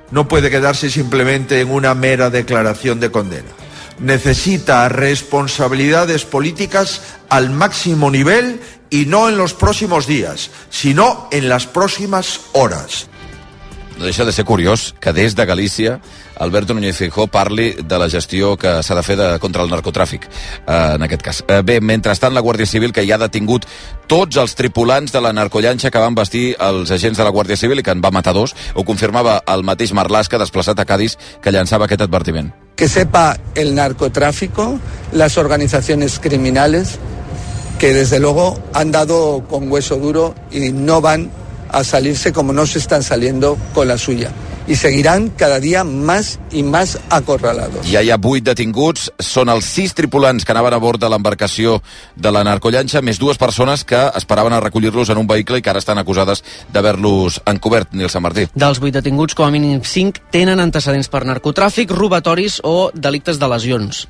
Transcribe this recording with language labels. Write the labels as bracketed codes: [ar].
[es] No puede quedarse simplemente en una mera declaración de condena. Necesita responsabilidades políticas al máximo nivel, y no en los próximos días, sino en las próximas horas. [ca] No deixa de ser curiós que des de Galícia Alberto Núñez Feijóo parli de la gestió que s'ha de fer de, contra el narcotràfic, en aquest cas. Bé, mentrestant, la Guàrdia Civil, que ja ha detingut tots els tripulants de la narcollanxa que van vestir els agents de la Guàrdia Civil i que en va matar dos, ho confirmava el mateix Marlaska, desplaçat a Cádiz, que llançava aquest advertiment. [es] Que sepa el narcotráfico, las organizaciones criminales, que desde luego han dado con hueso duro y no van a salirse como no se están saliendo con la suya. Y seguirán cada día más y más acorralados. [ca] Ja hi ha 8 detinguts, són els 6 tripulants que anaven a bord de l'embarcació de la narcollanxa, més dues persones que esperaven a recollir-los en un vehicle i que ara estan acusades d'haver-los encobert, Nil Sant Martí. Dels 8 detinguts, com a mínim 5 tenen antecedents per narcotràfic, robatoris o delictes de lesions.